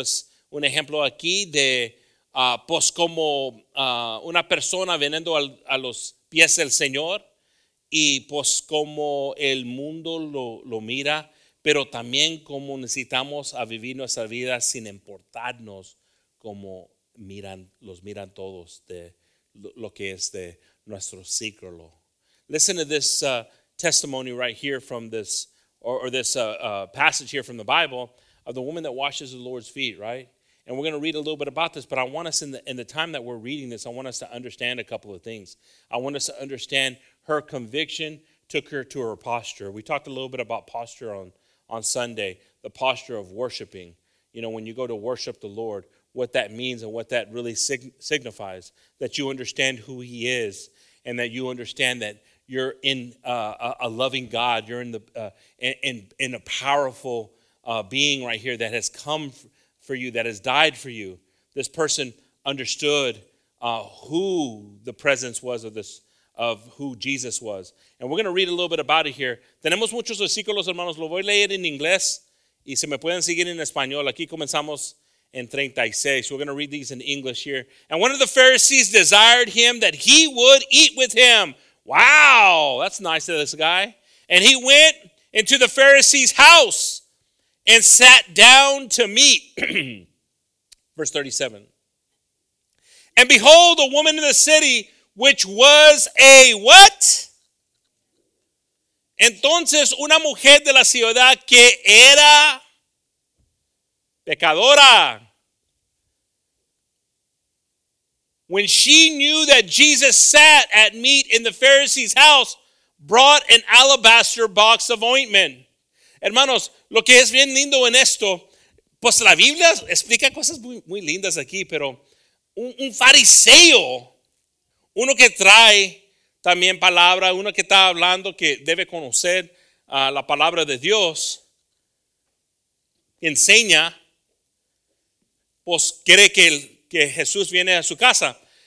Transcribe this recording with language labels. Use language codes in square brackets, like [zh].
[es] Es un ejemplo aquí de, pues como una persona viniendo a los pies del Señor y pues como el mundo lo mira, pero también como necesitamos a vivir nuestra vida sin importarnos como miran todos de lo que es de nuestro círculo. [en] Listen to this testimony right here from this passage here from the Bible of the woman that washes the Lord's feet, right? And we're going to read a little bit about this, but I want us in the time that we're reading this, I want us to understand a couple of things. I want us to understand her conviction took her to her posture. We talked a little bit about posture on Sunday, the posture of worshiping. You know, when you go to worship the Lord, what that means and what that really signifies, that you understand who he is and that you understand that you're in a loving God. You're in a powerful being right here that has come for you, that has died for you. This person understood who the presence was of who Jesus was. And we're going to read a little bit about it here. [es] Tenemos muchos versículos, hermanos. Lo voy a leer en inglés y se me pueden seguir en español. Aquí comenzamos en 36. [en] We're going to read these in English here. And one of the Pharisees desired him that he would eat with him. Wow, that's nice of this guy. And he went into the Pharisee's house and sat down to meat. Verse 37. And behold, a woman in the city, which was a what? [es] Entonces, una mujer de la ciudad que era pecadora. [en] When she knew that Jesus sat at meat in the Pharisee's house, brought an alabaster box of ointment. [es] Hermanos, lo que es bien lindo en esto, pues la Biblia explica cosas muy, muy lindas aquí, pero un fariseo, uno que trae también palabra, uno que está hablando que debe conocer la palabra de Dios, enseña, pues cree que Jesús viene a su casa.